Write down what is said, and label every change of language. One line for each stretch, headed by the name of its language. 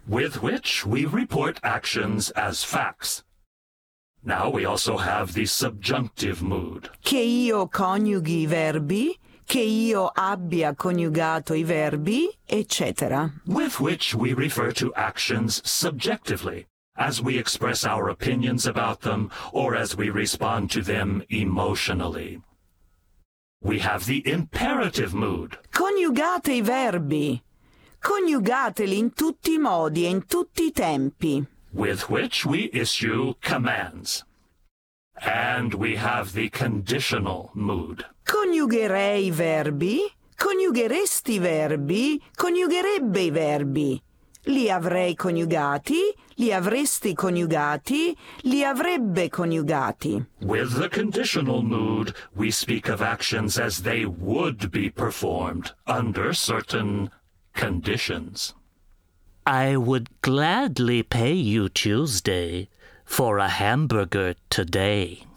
English: With which we report actions as facts. Now we also have the subjunctive mood.
Italian: Che io coniughi i verbi, che io abbia coniugato i verbi, eccetera.
English: With which we refer to actions subjectively. As we express our opinions about them, or as we respond to them emotionally. We have the imperative mood.
Italian: Coniugate i verbi. Coniugateli in tutti i modi e in tutti i tempi.
English: With which we issue commands. And we have the conditional mood.
Italian: Coniugherei i verbi. Coniugheresti i verbi. Coniugherebbe i verbi. Li avrei coniugati, li avresti coniugati, li avrebbe coniugati.
English: With the conditional mood, we speak of actions as they would be performed under certain conditions. I would gladly pay you Tuesday for a hamburger today.